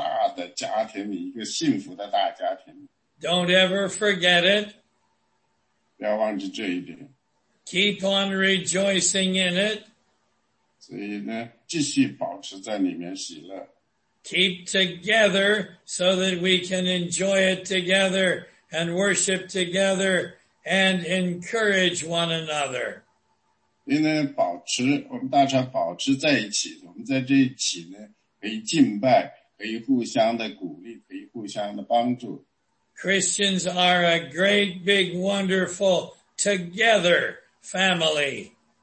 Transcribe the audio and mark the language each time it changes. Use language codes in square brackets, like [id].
[zh] 我们所有的人都在一个大的家庭里,一个幸福的大家庭。 [en] Don't ever forget it. [zh] 不要忘记这一点。 [en] Keep on rejoicing in it. [zh] 所以呢,继续保持在里面喜乐。 [en] Keep together so that we can enjoy it together and worship together and encourage one another. [zh] 因为我们大家保持在一起,我们在这一起呢,可以敬拜,可以互相的鼓励,可以互相的帮助。 [en] Christians are a great, big, wonderful, together family.